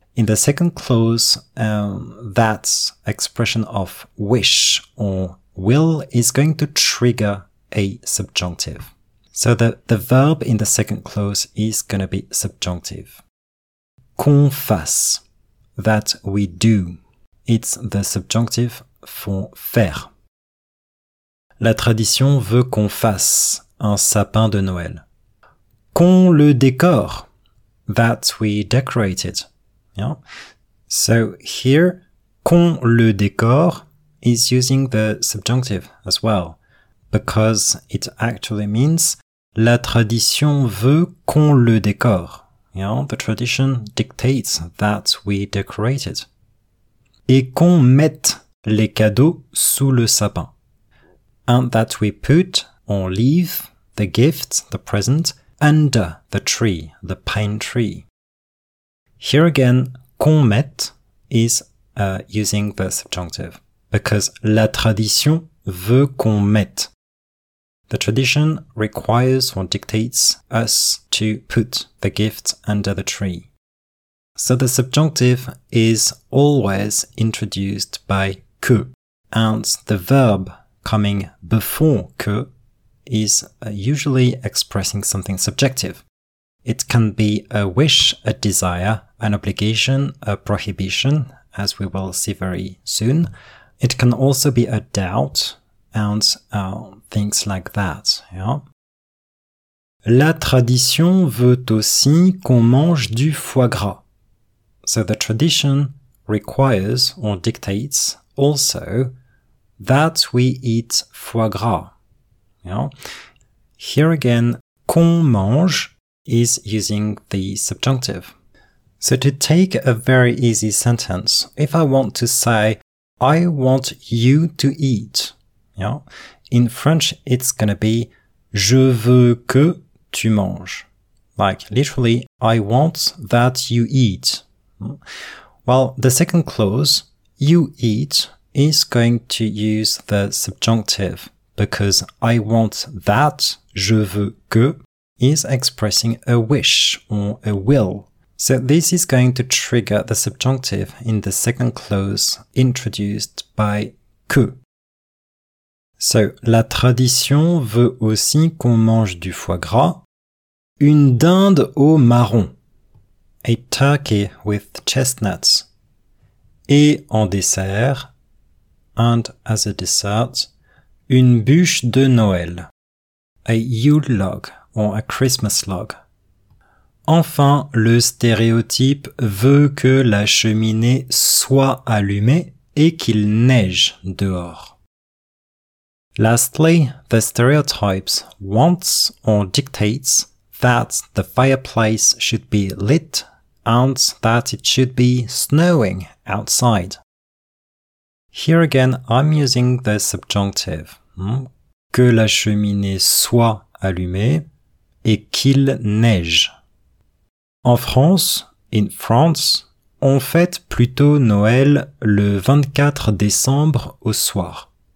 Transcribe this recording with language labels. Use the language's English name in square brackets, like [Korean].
[English] In the second clause, that expression of wish or will is going to trigger a subjunctive. So the verb in the second clause is going to be subjunctive. [French] Qu'on fasse, [English] that we do. It's the subjunctive for faire. [French] La tradition veut qu'on fasse un sapin de Noël. Qu'on le décore, [English] that we decorate it. Yeah? So here, [French] qu'on le décore [English] is using the subjunctive as well, because it actually means [French] la tradition veut qu'on le décore. [English] Yeah? The tradition dictates that we decorate it. [French] Et qu'on mette les cadeaux sous le sapin. [English] And that we put or leave the gift, the present, under the tree, the pine tree. Here again, [French] qu'on mette [English] is using the subjunctive, because [French] la tradition veut qu'on mette. [English] The tradition requires or dictates us to put the gift under the tree. So the subjunctive is always introduced by que, and the verb coming before que is usually expressing something subjective. It can be a wish, a desire, an obligation, a prohibition, as we will see very soon. It can also be a doubt and things like that. Yeah? [French] La tradition veut aussi qu'on mange du foie gras. [English] So the tradition requires or dictates also that we eat foie gras. Yeah. Here again, [French] qu'on mange [English] is using the subjunctive. So to take a very easy sentence, if I want to say, I want you to eat, yeah, in French, it's going to be, [French] je veux que tu manges. [English] Like literally, I want that you eat. Well, the second clause, you eat, is going to use the subjunctive because I want that, [French] je veux que, [English] is expressing a wish or a will. So this is going to trigger the subjunctive in the second clause introduced by que. [French] So, la tradition veut aussi qu'on mange du foie gras. Une dinde au marron. [English] A turkey with chestnuts. [French] Et en dessert. [English] And as a dessert. [French] Une bûche de Noël. [English] A Yule log or a Christmas log. [French] Enfin, le stéréotype veut que la cheminée soit allumée et qu'il neige dehors. [English] Lastly, the stereotypes wants or dictates that the fireplace should be lit and that it should be snowing outside. Here again, I'm using the subjunctive. [French] Que la cheminée soit allumée et qu'il neige. En France, [English] in France, [French] on fête plutôt Noël le 24 décembre au soir.